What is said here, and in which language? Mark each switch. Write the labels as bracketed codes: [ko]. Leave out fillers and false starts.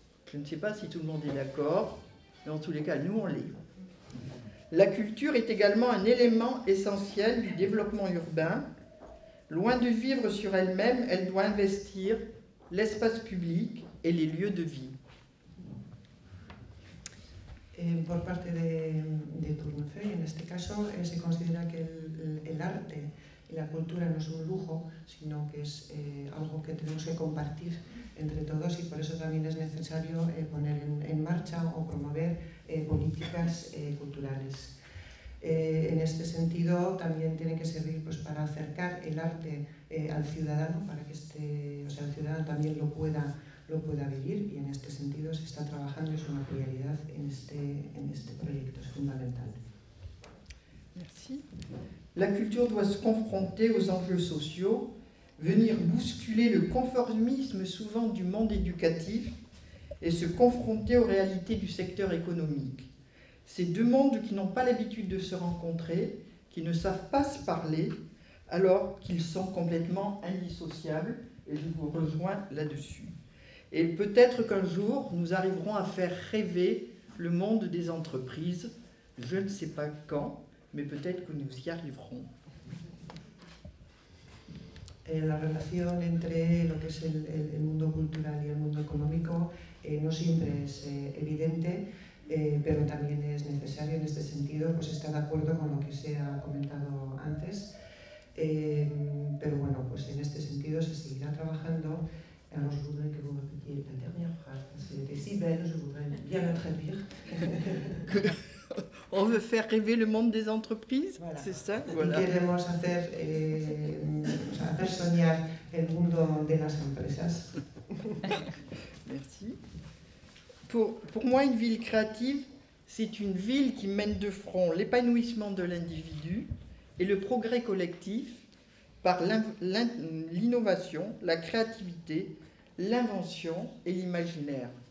[fr] Je ne sais pas si tout le monde est d'accord, mais en tous les cas, nous, on l'est. La culture est également un élément essentiel du développement urbain. Loin de vivre sur elle-même, elle doit investir l'espace public et les lieux de vie. [es] Por parte de Tournefeuille, en este caso, se considera que el arte y la cultura no es un lujo, sino que es algo que tenemos que compartir entre todos y por eso también es necesario poner en marcha o promover políticas culturales. En este sentido, también tiene que servir pues, para acercar el arte al ciudadano, para que el ciudadano también lo pueda vivir y en este sentido se está trabajando, es una prioridad en este proyecto, es fundamental. [fr] Merci. La culture doit se confronter aux enjeux sociaux, venir bousculer le conformisme souvent du monde éducatif et se confronter aux réalités du secteur économique. Ces deux mondes qui n'ont pas l'habitude de se rencontrer, qui ne savent pas se parler, alors qu'ils sont complètement indissociables, et je vous rejoins là-dessus. Et peut-être qu'un jour, nous arriverons à faire rêver le monde des entreprises. Je ne sais pas quand, mais peut-être que nous y arriverons. [es] La relation entre lo que es el mundo cultural y el mundo económico no siempre es evidente, pero también es necesario en este sentido pues estar de acuerdo con lo que se ha comentado antes. Pero bueno, pues en este sentido se seguirá trabajando. [fr] Alors, je voudrais que vous répétiez la dernière phrase, parce que c'était si belle, je voudrais bien la traduire. On veut faire rêver le monde des entreprises, voilà. C'est ça? Voilà. [es] Queremos hacer soñar el mundo de las empresas. [fr] Merci. Pour moi, une ville créative, c'est une ville qui mène de front l'épanouissement de l'individu et le progrès collectif, par l'innovation, la créativité, l'invention et l'imaginaire.